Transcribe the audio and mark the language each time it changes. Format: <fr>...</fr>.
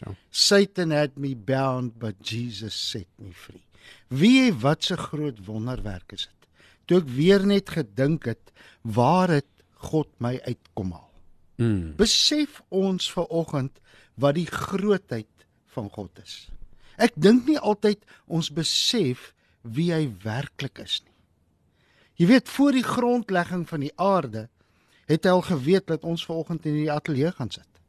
<en>Satan had me bound, but Jesus set me free.</en> <af>Wie wat se groot wonderwerk is dit? Toe ek weer net gedink het, waar het God my uitkom haal? Besef ons vanoggend wat die grootheid van God is. Ek dink nie altyd ons besef wie hy werklik is nie. Jy weet, voor die grondlegging van die aarde, het hy al geweet dat ons vanoggend in die ateljee gaan sit.</af>